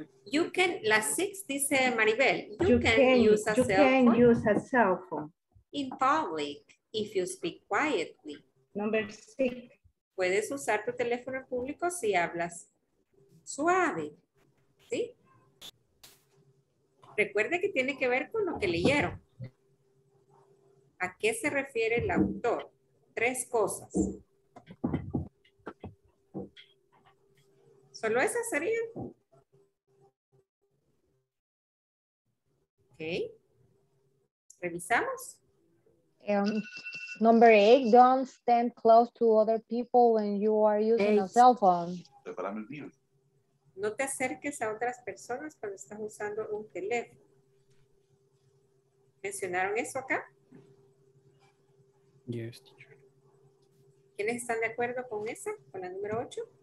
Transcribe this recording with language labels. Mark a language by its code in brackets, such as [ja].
[en] You can, [es] la six dice Maribel, [en] you can use a cell phone in public if you speak quietly. Number six. [es] Puedes usar tu teléfono en público si hablas suave, ¿sí? Recuerde que tiene que ver con lo que leyeron. ¿A qué se refiere el autor? Tres cosas. ¿Solo esas serían? Ok. ¿Revisamos? [en] Number eight, don't stand close to other people when you are using a cell phone. [es] No te acerques a otras personas cuando estás usando un teléfono. ¿Mencionaron eso acá? [en] Yes, teacher. [es] ¿Quiénes están de acuerdo con esa, con la número 8?